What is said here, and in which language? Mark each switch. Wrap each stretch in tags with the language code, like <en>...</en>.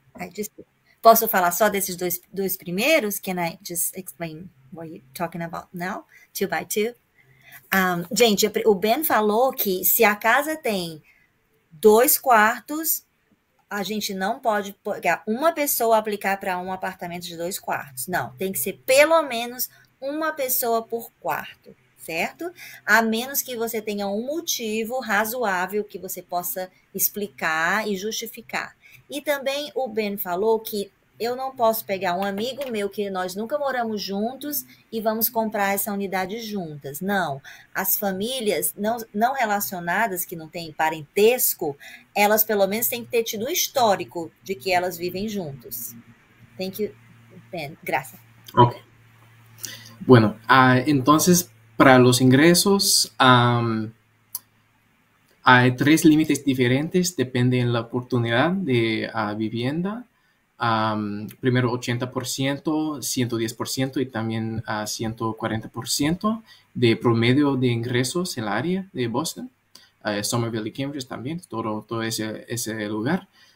<en>I just,</en> <pt>posso falar só desses dois primeiros?</pt> <en>Can I just explain what you're talking about now? Two by two?</en> <pt>Gente, o Ben falou que se a casa tem dois quartos, a gente não pode pegar uma pessoa aplicar para um apartamento de dois quartos. Não, tem que ser pelo menos uma pessoa por quarto. Certo? A menos que você tenha um motivo razoável que você possa explicar e justificar. E também o Ben falou que eu não posso pegar um amigo meu que nós nunca moramos juntos e vamos comprar essa unidade juntas. Não. As famílias não relacionadas, que não têm parentesco, elas pelo menos têm que ter tido um histórico de que elas vivem juntos.</pt> <en>Thank you, Ben. Graças. Ok.</en> <es>Bueno, entonces para los ingresos hay tres límites diferentes, depende de la oportunidad de vivienda. Primero 80%, 110% y también 140% de promedio de ingresos en el área de Boston, Somerville y Cambridge también, todo ese lugar.</es>